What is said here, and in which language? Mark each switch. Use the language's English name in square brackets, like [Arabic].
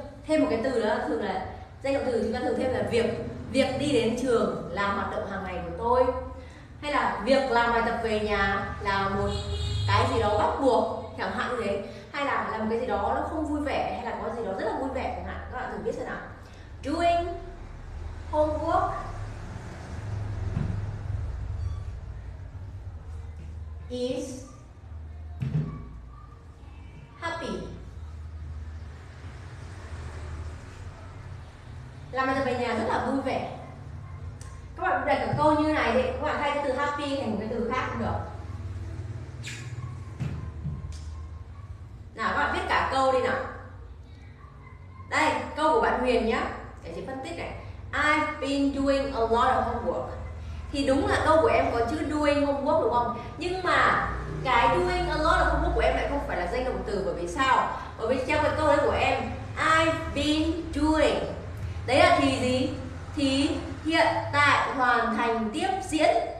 [Vietnamese] Thêm một cái từ đó thường là danh động từ chúng ta thường thêm là việc. Việc đi đến trường là hoạt động hàng ngày của tôi. Hay là việc làm bài tập về nhà là một cái gì đó bắt buộc chẳng hạn như thế, hay là làm cái gì đó nó không vui vẻ hay là có gì đó rất là vui vẻ chẳng hạn. Các bạn thử biết xem nào. [English] Doing homework is happy. [Vietnamese] Làm bài tập về nhà rất là vui vẻ. Các bạn đặt cả câu như này thì các bạn thay từ happy thành một cái từ khác cũng được. Nào các bạn viết cả câu đi nào. Đây, câu của bạn Huyền nhé. Để chị phân tích này. [English] I've been doing a lot of homework. [Vietnamese] Thì đúng là câu của em có chữ [English] doing homework [Vietnamese] đúng không? Nhưng mà cái [English] doing a lot of homework [Vietnamese] của em lại không phải là danh động từ. Bởi vì sao? Bởi vì trong cái câu đấy của em, [English] I've been doing, [Vietnamese] đấy là thì gì? Thì hiện tại hoàn thành tiếp diễn.